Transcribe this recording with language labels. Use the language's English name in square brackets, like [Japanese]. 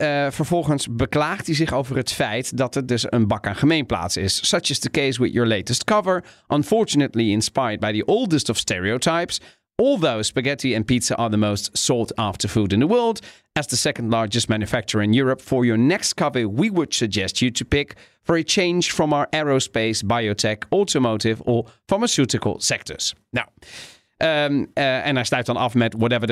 [Dutch] Vervolgens beklaagt hij zich over het feit dat het dus een bak aan gemeenplaats is. [English] Such is the case with your latest cover. Unfortunately inspired by the oldest of stereotypes, Although spaghetti and pizza are the most sought after food in the world, as the second largest manufacturer in Europe, for your next coffee, we would suggest you to pick for a change from our aerospace, biotech, automotive or pharmaceutical sectors. [Dutch] Now, en hij sluit dan af met [English] whatever the